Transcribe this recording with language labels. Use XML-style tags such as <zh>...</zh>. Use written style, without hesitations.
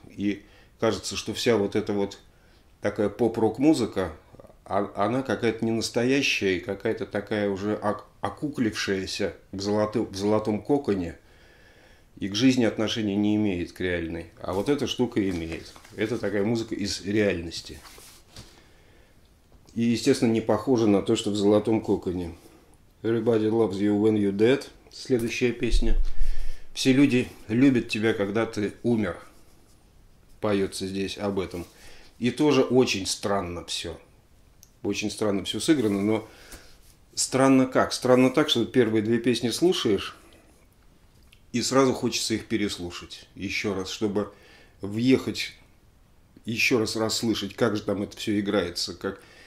<ru>И кажется, что вся вот эта вот такая поп-рок-музыка, она какая-то ненастоящая и какая-то такая уже окуклившаяся в золотом коконе и к жизни отношения не имеет, к реальной. А вот эта штука имеет. Это такая музыка из реальности. И, естественно, не похоже на то, что в золотом коконе.</ru> <en>Everybody loves you when you're dead.</en> <ru>Следующая песня. Все люди любят тебя, когда ты умер. Поется здесь об этом. И тоже очень странно все. Очень странно все сыграно, но странно как? Странно так, что первые две песни слушаешь, и сразу хочется их переслушать еще раз, чтобы въехать, еще раз расслышать, как же там это все играется, как.</ru>